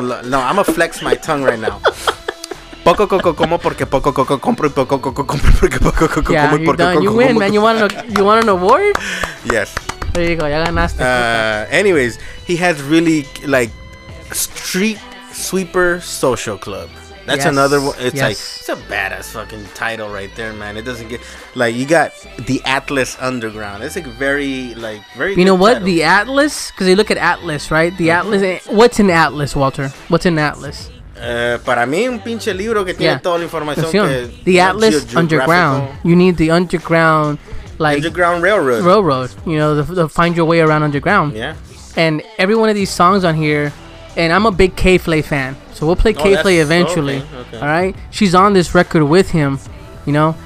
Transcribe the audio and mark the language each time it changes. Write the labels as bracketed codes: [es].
[en] No, I'm gonna flex my tongue right now. [es] Poco coco como porque poco coco compro y poco coco compro porque poco coco como. [en] Yeah, you're done. You win, man. You want an award? Yes. There you go. [es] Ya ganaste. [en] Anyways, he has really like Street Sweeper Social Club. That's another one. It's like, it's a badass fucking title right there, man. It doesn't get, like, you got the Atlas Underground. It's like very. You know what? The Atlas, because you look at Atlas, right? The Atlas, what's an Atlas, Walter? What's an Atlas? [es] Para mí, un pinche libro que tiene toda la información. [en] The Atlas Underground. You need the underground, like... Underground Railroad. Railroad. You know, the find your way around underground. Yeah. And every one of these songs on here... And I'm a big K-Flay fan. So we'll play K-Flay eventually. Okay. All right? She's on this record with him, you know?